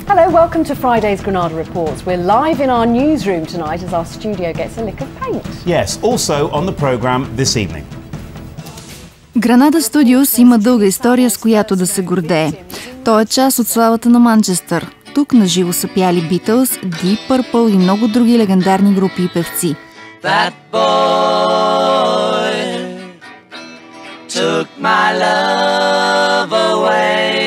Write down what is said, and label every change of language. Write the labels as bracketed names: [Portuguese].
[English] welcome to Friday's Granada Reports. We're live in our newsroom tonight as our studio gets a lick of paint. Yes, also on the programme this evening. [Bulgarian] Granada Studios има дълга история, с която да се гордее. Той е част от славата на Манчестър. Тук наживо са пяли Beatles, Deep Purple и много други легендарни групи и певци. [English] That boy took my love away.